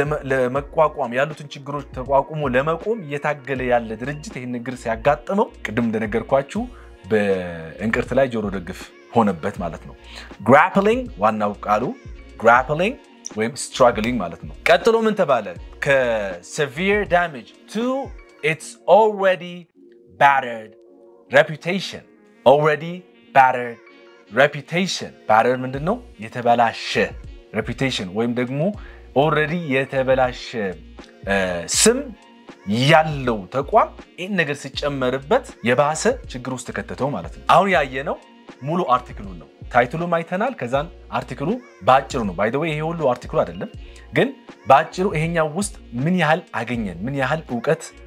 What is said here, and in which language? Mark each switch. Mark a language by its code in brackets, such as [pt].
[am] ለመቋቋም ያሉትን ችግሮች ተቋቁሞ ለመቆም የታገለ ያለ ድርጅት ይሄን ነገር ሲያጋጥመው ቀድም እንደነገርኳችሁ በእንቅርት ላይ ጆሮ ደግፍ ሆነበት ማለት ነው። grappling ዋናው ቃሉ grappling ወይም struggling ማለት ነው። ቀጥሎ ምን ተባለ? [en] ከ severe damage to its already battered reputation. already battered reputation battered ምንድነው? [am] የተበላሸ reputation ወይም ደግሞ already የተበላሸ ስም ያለው ተቋም ይሄን ነገር ሲጨመርበት የባሰ ችግር ውስጥ ተከተተው ማለት ነው። አሁን ያየነው ሙሉ አርቲክሉ ነው። ታይትሉ ማይተናል ከዛን አርቲክሉ ባጭሩ ነው። [en] by the way [am] ይሄ ሁሉ አርቲክሉ አይደለም ግን ባጭሩ ይሄኛው ውስጥ ምን ያህል አገኘን ምን ያህል ዕውቀት